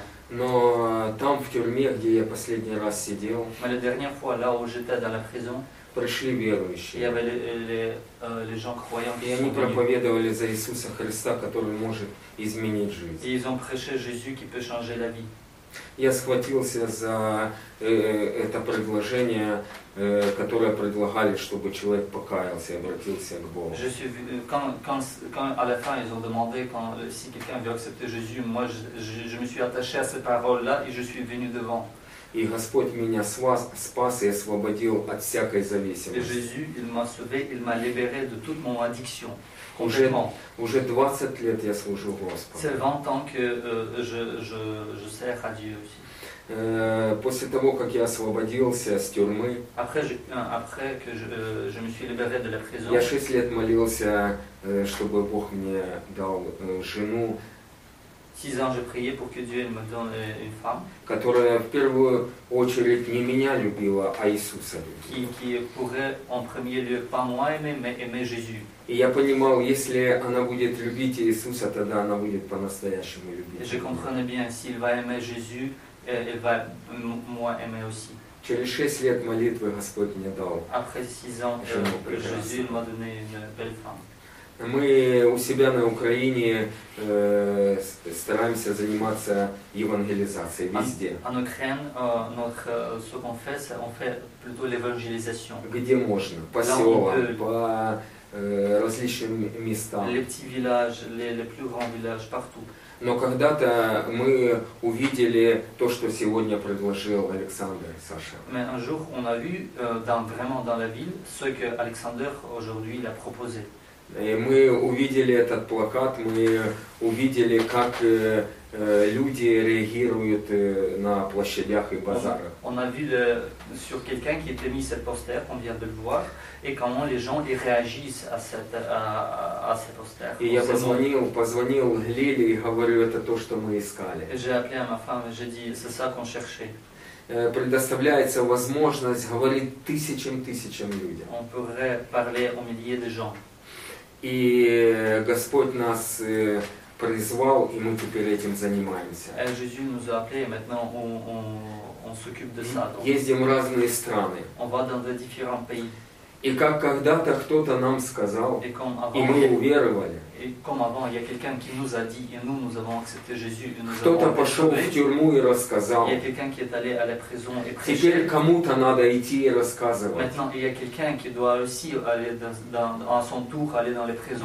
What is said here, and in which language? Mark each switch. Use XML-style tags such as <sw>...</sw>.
<ru>Но там, в тюрьме, где я последний раз сидел,</ru> <fr>mais la dernière fois, là où j'étais dans la prison,</fr> <ru>пришли верующие.</ru> <fr>Il y avait les gens croyants.</fr> <ru>И они проповедовали за Иисуса Христа, который может изменить жизнь.</ru> <fr>Et ils ont prêché Jésus qui peut changer la vie.</fr> <ru>Я схватился за это предложение, которое предлагали, чтобы человек покаялся, обратился к Богу.</ru> <fr>Je suis quand à la fin ils ont demandé quand si quelqu'un veut accepter Jésus, moi je me suis attaché à ces paroles là et je suis venu devant.</fr> <ru>И Господь меня спас и освободил от всякой зависимости.</ru> <fr>Jésus, il m'a sauvé, il m'a libéré de toute mon addiction.</fr> <ru>Уже 20 лет я служу Господу.</ru> <fr>C'est 20 ans que je sers à Dieu aussi.</fr> <ru>После того, как я освободился из тюрьмы,</ru> <fr>après que je me suis libéré de la prison,</fr> <ru>я 6 лет молился, чтобы Бог мне дал жену.</ru> <fr>6 ans j'ai prié pour que Dieu me donne une femme,</fr> <ru>которая в первую очередь не меня любила, а Иисуса любила.</ru> <fr>Qui pourrait en premier lieu pas moi aimer, mais aimer Jésus.</fr> <ru>И я понимал, если она будет любить Иисуса, тогда она будет по-настоящему любить.</ru> <fr>Je comprenais bien, s'il va aimer Jésus, elle va moi aimer aussi.</fr> <ru>Через 6 лет молитвы Господь мне дал.</ru> <fr>Après 6 ans, Jésus m'a donné une belle femme.</fr> <ru>Мы у себя на Украине стараемся заниматься евангелизацией везде.</ru> <fr>En Ukraine, ce qu'on fait, c'est on fait plutôt l'évangélisation.</fr> <ru>Где можно? По селам, по различным местам.</ru> <fr>Les petits villages, les plus grands villages partout.</fr> <ru>Но когда-то мы увидели то, что сегодня предложил Александр, Саша.</ru> <fr>Mais un jour, on a vu vraiment dans la ville ce que Alexander aujourd'hui il a proposé.</fr> <ru>И мы увидели этот плакат, мы увидели, как люди реагируют на площадях и базарах.</ru> <fr>On a vu sur quelqu'un qui était mis cette poster, on vient de le voir, et comment les gens y réagissent à cette poster.</fr> <ru>И я позвонил Глеле и говорю, это то, что мы искали.</ru> <fr>J'ai appelé à ma femme et j'ai dit, c'est ça qu'on cherchait.</fr> <ru>Предоставляется возможность говорить тысячам людям.</ru> <fr>On pourrait parler aux milliers de gens.</fr> <ru>И Господь нас призвал, и мы теперь этим занимаемся.</ru> <fr>Et Jésus nous a appelé, maintenant on s'occupe de ça.</fr> <ru>Ездим в разные страны.</ru> <fr>On va dans de différents pays.</fr> <ru>И как когда-то кто-то нам сказал, и мы уверовали.</ru> <fr>И comme avant, il y a quelqu'un qui nous a dit, et nous avons accepté Jésus.</fr> <ru>Кто-то пошел в тюрьму и рассказал.</ru> <fr>Il y a quelqu'un qui est allé à la prison et prêché.</fr> <ru>Теперь кому-то надо идти и рассказывать.</ru> <fr>Maintenant, il y a quelqu'un qui doit aussi aller à son tour, aller dans les prisons.</fr>